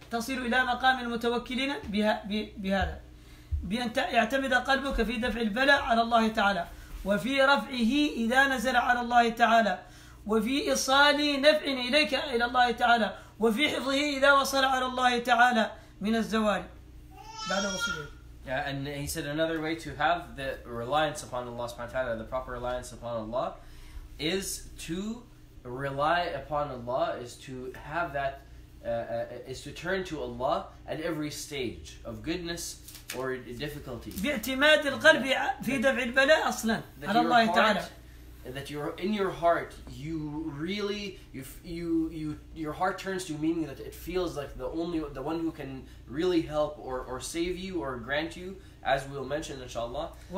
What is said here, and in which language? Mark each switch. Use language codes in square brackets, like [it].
[ar] تصل إلى مقام المتوكلين بهذا بأن يعتمد قلبك في دفع البلاء على الله تعالى وفي رفعه إذا نزل على الله تعالى وفي إيصال نفع إليك إلى الله تعالى وفي حفظه إذا وصل على الله تعالى من الزوال بعد وصوله. [en] Yeah, and he said another way to have the reliance upon Allah subhanahu wa ta'ala, the proper reliance upon Allah, is to rely upon Allah, is to have that, is to turn to Allah at every stage of goodness or difficulty. [ar] باعتماد القلب في دفع البلاء أصلا على الله تعالى. [en] That you're in your heart, you really, you, your heart turns to meaning that it feels like the one who can really help or save you or grant you, as we'll mention, inshallah.